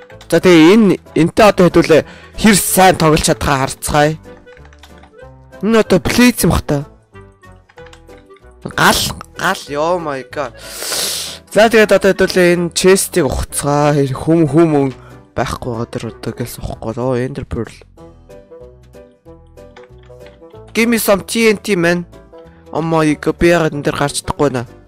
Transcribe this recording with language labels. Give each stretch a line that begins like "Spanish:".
Mongolian: За тэгээ энэтэй одоо хэдүүлээ хэр сайн тоглож чадхаа харцгаая. Энэ одоо блиц юм хтаа.
English: Гал oh my god.
Mongolian: За тэгээд одоо хэдүүлээ энэ chest-ийг ухацгаа хүм байхгүй байгаа дэр одоо гэлс ухахгүй оо ender pearl.
English: Give me some TNT man. Oh my god,
Mongolian: би яагаад энэ дэр гарч чадахгүй наа.